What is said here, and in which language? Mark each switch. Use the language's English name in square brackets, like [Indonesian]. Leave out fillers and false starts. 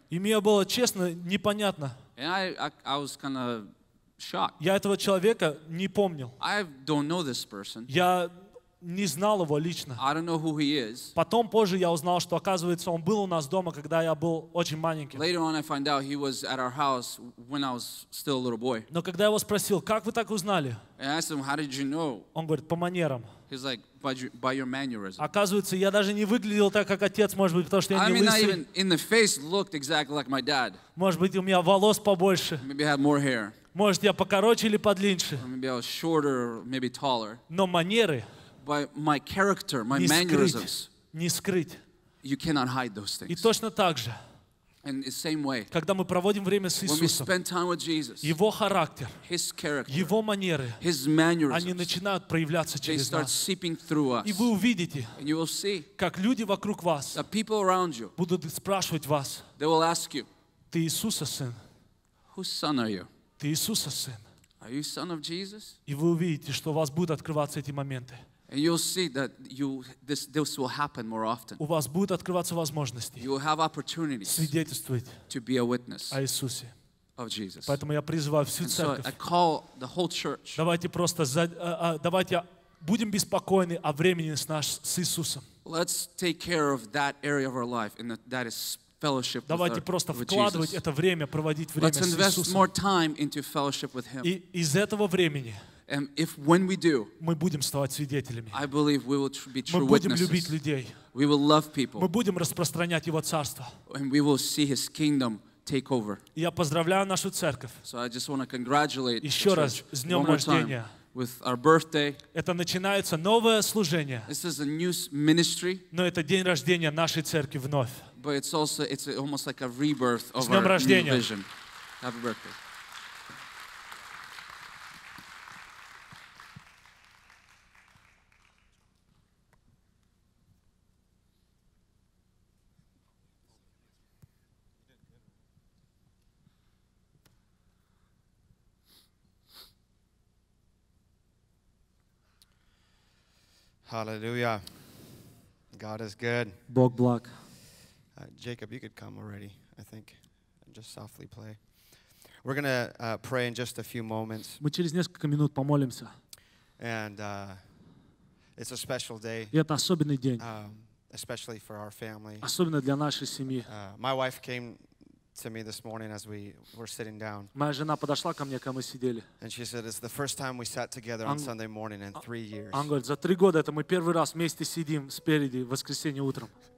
[Russian] И мне было честно непонятно. [English] And I was kind of shocked. [Russian] Я этого человека не помнил. [English] I don't know this person. [Russian] Я не знал его лично. [English] I don't know who he is. [Russian] Потом позже я узнал, что оказывается, он был у нас дома, когда я был очень маленьким. [English] Later on, I find out he was at our house when I was still a little boy. [Russian] Но когда я его спросил, как вы так узнали? [English] And I asked him, how did you know? [Russian] Он говорит, по манерам. [English] He's like, by your mannerism. [Russian] Оказывается, я даже не выглядел так, как отец, может быть, потому что я не лысый. [English] I mean, not even in the face looked exactly like my dad. [Russian] Может быть, у меня волос побольше. [English] Maybe I had more hair. [Russian] Может, я покороче или подлиннее. [English] Maybe I was shorter, maybe taller. [Russian] Но манеры. [English] By my character, my mannerisms. [Russian] Не скрыть. [English] You cannot hide those things. [Russian] И точно так же. [English] And the same way. [Russian] Когда мы проводим время с Иисусом, [English] when we spend time with Jesus, [Russian] его характер, [English] his character, [Russian] его манеры, [English] his mannerisms, [Russian] они начинают проявляться через [English] they start [Russian] нас. [English] Seeping through us. [Russian] И вы увидите, [English] and you will see, [Russian] как люди вокруг вас, [English] the people around you, [Russian] будут спрашивать вас, [English] they will ask you, [Russian] ты Иисуса сын? [English] Whose son are you? [Russian] Ты Иисуса сын? [English] Are you son of Jesus? [Russian] И вы увидите, что у вас будут открываться эти моменты. [English] And you'll see that this will happen more often. [Russian] У вас будут открываться возможности. [English] You will have opportunities. [Russian] Свидетельствовать. [English] To be a witness. [Russian] О Иисусе. [English] Of Jesus. [Russian] Поэтому я призываю всю церковь. [English] And so I call the whole church. [Russian] Давайте просто давайте будем беспокойны о времени с Иисусом. [English] Let's take care of that area of our life, and that is fellowship [Russian] Давайте просто вкладывать это время, проводить время с Иисусом. [English] Let's invest more time into fellowship with Him. [Russian] И из этого времени. [English] And if when we do, [Russian] мы будем ставать свидетелями. [English] I believe we will be true witnesses. [Russian] Мы будем любить людей. [English] We will love people. [Russian] Мы будем распространять его царство. [English] And we will see his kingdom take over. [Russian] Я поздравляю нашу церковь. [English] So I just want to congratulate [Russian] еще раз с днем рождения. [English] With our birthday. [Russian] Это начинается новое служение. [English] This is a new ministry. [Russian] Но это день рождения нашей церкви вновь. [English] But it's almost like a rebirth of [Russian] с днем рождения. [English] New vision. Happy birthday. Hallelujah. God is good. [Russian] Бог благ. [English] Jacob, you could come already, I think. Just softly play. We're going to pray in just a few moments. [Russian] Мы через несколько минут помолимся. [English] And it's a special day. [Russian] И это особенный день. [English] Especially for our family. [Russian] Особенно для нашей семьи. [English] My wife came to me this morning as we were sitting down. [Russian] Моя жена подошла ко мне, когда мы сидели. [English] And she said, "It's the first time we sat together on Sunday morning in 3 years." [Russian] Она говорит, за три года это мы первый раз вместе сидим спереди в воскресенье утром.